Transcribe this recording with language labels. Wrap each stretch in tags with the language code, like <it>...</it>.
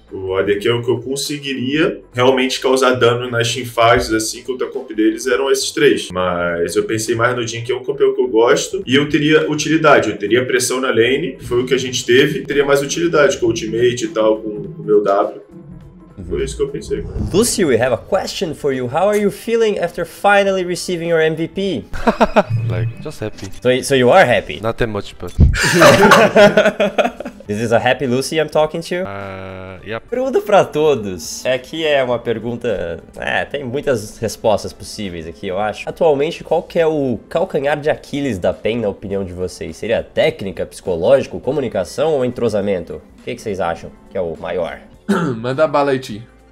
<pt>O AD que é o que eu conseguiria realmente causar dano nas teamfights, assim, contra a comp deles, eram esses três. Mas eu pensei mais no Jhin, que é um campeão que eu gosto. E eu teria utilidade, eu teria pressão na lane, foi o que a gente teve. Teria mais utilidade com o ultimate e tal, com o meu W. Foi isso que eu pensei, mano.</pt> <en>Lucio, we have a question for you. How are you feeling after finally receiving your MVP? Like, just happy. So you are happy? Not that much, but. This is a happy Lucy I'm talking to. Yep.</en> <pt>Pergunta pra todos. É que é uma pergunta. É, tem muitas respostas possíveis aqui, eu acho. Atualmente, qual que é o calcanhar de Aquiles da PEN, na opinião de vocês? Seria técnica, psicológico, comunicação ou entrosamento? O que vocês acham que é o maior? Manda bala aí, Tim.</pt>